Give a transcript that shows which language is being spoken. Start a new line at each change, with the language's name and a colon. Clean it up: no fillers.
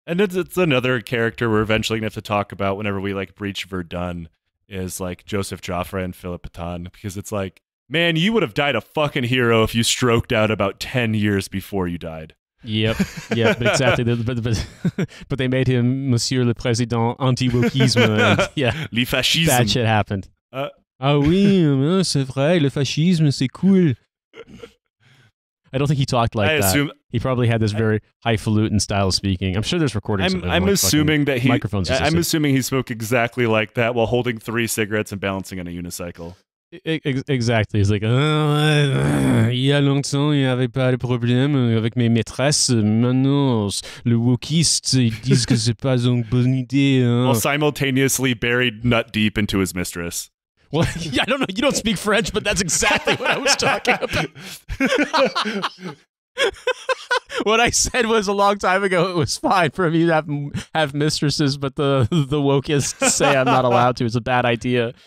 English: And it's another character we're eventually going to have to talk about whenever we, like, breach Verdun, is, like, Joseph Joffre and Philippe Pétain, because it's like, man, you would have died a fucking hero if you stroked out about 10 years before you died. Yep, exactly. but they made him
French: Monsieur le Président anti-wokisme.
English: Yeah,
French: le fascisme.
English: Bad shit happened.
French: Ah oui, c'est vrai, le fascisme, c'est cool.
English: I don't think he talked like that. Assume, he probably had this very highfalutin style of speaking. I'm sure there's recordings. I'm assuming he spoke exactly like that while holding three cigarettes and balancing on a unicycle. Exactly. He's like,
French: il y a longtemps, il n'y avait pas de problème avec mes maîtresses. Maintenant, le wokiste, ils disent que c'est pas une bonne idée.
English: While simultaneously buried nut deep into his mistress. Well, yeah, I don't know. You don't speak French, but that's exactly what I was talking about. What I said was a long time ago, it was fine for me to have mistresses, but the wokeists say I'm not allowed to. It's a bad idea.